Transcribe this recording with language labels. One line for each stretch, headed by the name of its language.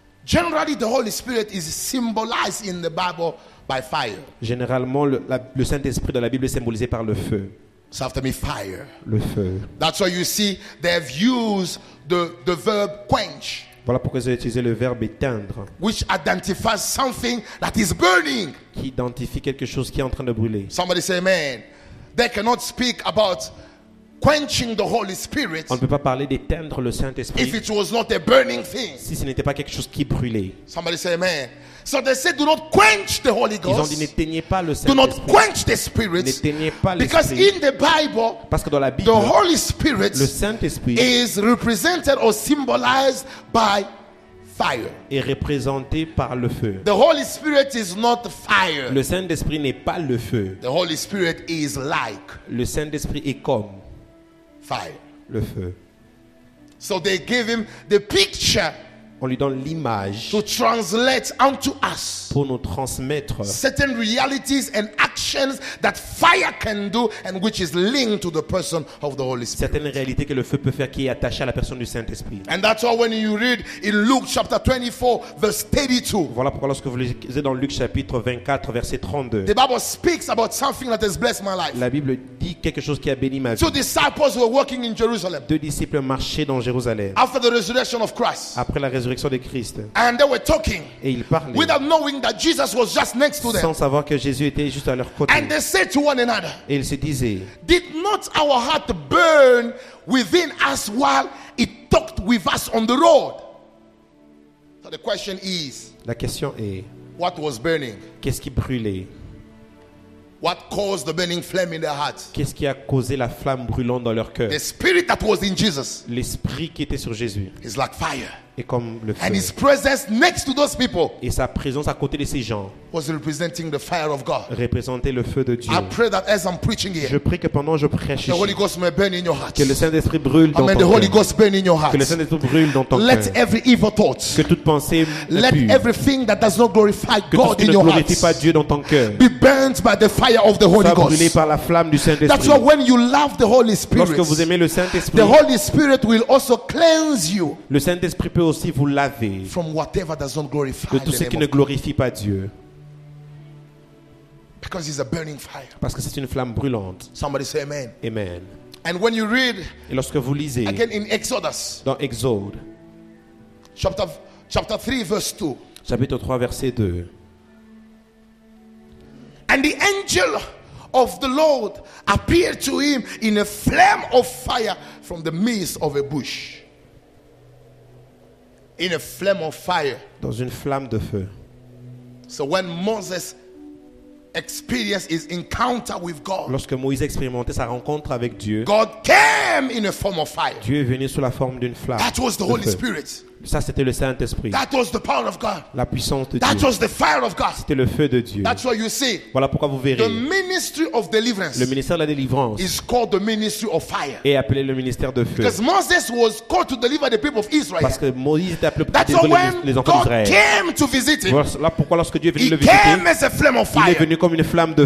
English: Generally, the Holy Spirit is symbolized in the Bible by fire.
French: Généralement, le Saint-Esprit dans la Bible est symbolisé par le feu.
English: So after me, fire.
French: Le feu.
English: That's why you see they've used the verb quench.
French: Voilà pourquoi ils ont utilisé le verbe éteindre.
English: Which identifies something that is burning.
French: Qui identifie quelque chose qui est en train de brûler.
English: Somebody say amen. They cannot speak about quenching the Holy Spirit.
French: On ne peut pas parler d'éteindre le Saint-Esprit.
English: If it was not a burning thing.
French: Si ce n'était pas quelque chose qui brûlait.
English: Somebody say amen. So they said, do not quench the Holy Ghost.
French: Ils ont dit n'éteignez pas le Saint-Esprit.
English: Do not quench the Spirit.
French: N'éteignez pas l'Esprit.
English: Because in the Bible,
French: parce que dans la Bible,
English: the Holy Spirit,
French: le Saint-Esprit,
English: is represented or symbolized by fire.
French: Est représenté par le feu.
English: The Holy Spirit is not fire.
French: Le Saint-Esprit n'est pas le feu.
English: The Holy Spirit is like.
French: Le Saint-Esprit est comme
English: fire.
French: Le feu.
English: So they give him the picture.
French: On lui donne l'image.
English: To translate unto us.
French: Pour nous transmettre.
English: Certain realities and actions that fire can do and which is linked to the person of the Holy Spirit.
French: Certaines réalités que le feu peut faire qui est attaché à la personne du Saint-Esprit.
English: And that's why when you read in Luke chapter 24 verse 32.
French: Voilà pourquoi lorsque vous lisez dans Luc chapitre 24 verset 32.
English: The Bible speaks about something that has blessed my life.
French: La Bible dit quelque chose qui a béni ma vie.
English: Two disciples were walking in Jerusalem.
French: Deux disciples marchaient dans Jérusalem.
English: After the resurrection of Christ.
French: Après la résurrection de Christ.
English: And they were talking.
French: Et ils parlaient.
English: Without knowing that Jesus was just next to them.
French: Sans savoir que Jésus était juste à leur côté.
English: And they said to one another.
French: Et ils se disaient.
English: Did not our heart burn within us while he talked with us on the road? So the question is.
French: La question est.
English: What was burning?
French: Qu'est-ce qui brûlait?
English: What caused the burning flame in their heart?
French: Qu'est-ce qui a causé la flamme brûlante dans leur cœur?
English: The spirit that was in Jesus.
French: L'esprit qui était sur Jésus.
English: Is like fire.
French: Et comme le feu.
English: And his presence next to those people.
French: Et sa présence à côté de ces gens.
English: Was representing the fire of God.
French: Représentait le feu de Dieu.
English: I pray that as I'm preaching here.
French: Je prie que pendant je prêche.
English: The Holy Ghost may burn in your heart.
French: Que le Saint-Esprit brûle dans
English: amen,
French: ton
English: the Holy Ghost burn in your heart.
French: Que le Saint-Esprit brûle dans ton
English: let
French: cœur.
English: Every evil thought.
French: Que toute pensée impure.
English: Let everything that does not glorify God in your heart.
French: Que tout ce qui ne glorifie pas Dieu dans ton cœur.
English: Be burnt by the fire of the Holy Ghost.
French: Soit brûlé par la flamme du Saint-Esprit.
English: That's why when you love the Holy Spirit.
French: Lorsque vous aimez le Saint-Esprit.
English: The Holy Spirit will also cleanse you.
French: Le Saint-Esprit peut aussi vous laver.
English: From whatever does not glorify.
French: De tout ce qui ne glorifie pas Dieu.
English: Because it's a burning fire.
French: Parce que c'est une flamme brûlante.
English: Somebody say amen. Amen. And when you read,
French: et lorsque vous lisez,
English: again in Exodus,
French: dans Exode,
English: chapter 3, verse 2,
French: chapitre 3, verset 2,
English: and the angel of the Lord appeared to him in a flame of fire from the midst of a bush. In a flame of fire.
French: Dans une flamme de feu.
English: So when Moses experienced his encounter with God,
French: lorsque Moïse expérimentait sa rencontre avec Dieu,
English: God came in a form of fire.
French: Dieu est venu sous la forme d'une flamme.
English: That was the Holy Spirit.
French: Ça, c'était le Saint-Esprit.
English: That was the power of God.
French: La puissance de
English: that
French: Dieu.
English: Was the fire of God.
French: C'était le feu de Dieu.
English: That's what you see.
French: Voilà pourquoi vous verrez.
English: The ministry of deliverance,
French: le ministère de la délivrance,
English: is called the ministry of fire.
French: Est appelé le ministère de feu.
English: Because Moses was called to deliver the people of Israel.
French: Parce que Moïse était appelé pour délivrer les enfants d'Israël.
English: Came to visit him.
French: Voilà pourquoi lorsque Dieu est venu
English: he
French: le visiter,
English: came as a flame of fire,
French: il est venu comme une flamme de